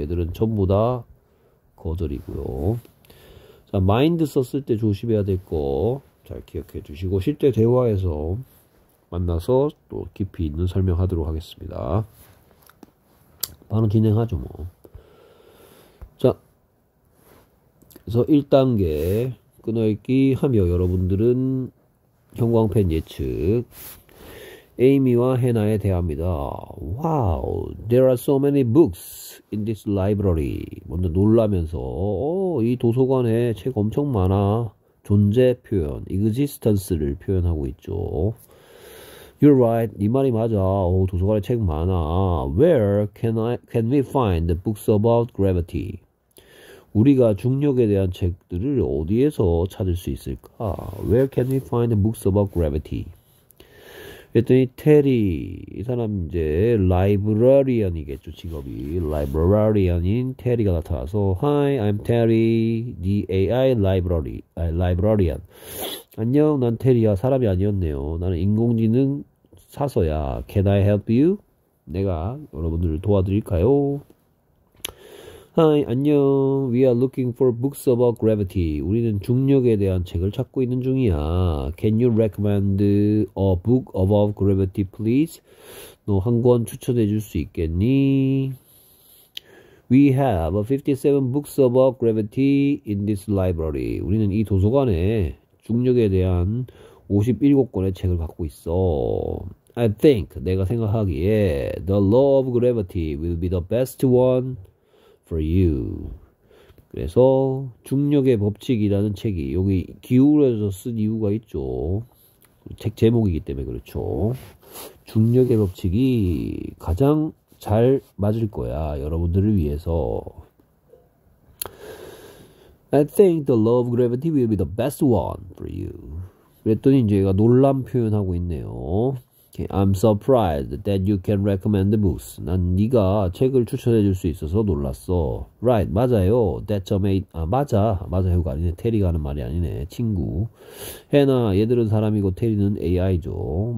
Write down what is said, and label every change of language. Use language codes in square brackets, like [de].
[ko] 얘들은 전부 다 거절이고요. 자, mind 썼을 때 조심해야 될거잘 기억해 주시고, 실제 대화에서 만나서 또 깊이 있는 설명하도록 하겠습니다. 바로 진행하죠, 뭐. 그래서 1단계. 끊어읽기 하며 여러분들은 형광펜 예측 에이미와 해나에 대합니다. [en] 와우, there are so many books in this library. [ko] 먼저 놀라면서 오, 이 도서관에 책 엄청 많아. 존재 표현, existence를 표현하고 있죠. [en] You're right, [ko] 네 말이 맞아. 오, 도서관에 책 많아. [en] Where can we find the books about gravity? [ko] 우리가 중력에 대한 책들을 어디에서 찾을 수 있을까? [en] Where can we find books about gravity? [ko] 그랬더니 테리 이 사람 이제 라이브러리언이겠죠 직업이 라이브러리언인 테리가 나타나서 [en] Hi, I'm Terry, the AI library, 아, librarian. [ko] 안녕, 난 테리야. 사람이 아니었네요. 나는 인공지능 사서야. [en] Can I help you? [ko] 내가 여러분들을 도와드릴까요? [en] Hi, [ko] 안녕. [en] We are looking for books about gravity. [ko] 우리는 중력에 대한 책을 찾고 있는 중이야. [en] Can you recommend a book about gravity, please? [ko] 너한권 추천해 줄수 있겠니? [en] We have 57 books about gravity in this library. [ko] 우리는 이 도서관에 중력에 대한 57권의 책을 갖고 있어. [en] I think, [ko] 내가 생각하기에, [en] The Law of Gravity will be the best one. For you. [ko] 그래서 중력의 법칙이라는 책이 여기 기울어져서 쓴 이유가 있죠. 책 제목이기 때문에 그렇죠. 중력의 법칙이 가장 잘 맞을 거야. 여러분들을 위해서. [en] I think the law of gravity will be the best one for you. [ko] 그랬더니 이제 얘가 놀란 표현하고 있네요. [en] I'm surprised that you can recommend books. [ko] 난 네가 책을 추천해 줄수 있어서 놀랐어. [en] Right, [ko] 맞아요. [en] That's amazing. [ko] 아, 맞아. 맞아요. 이거 아니네. 테리가 하는 말이 아니네. 친구. 해나, 얘들은 사람이고 테리는 AI죠.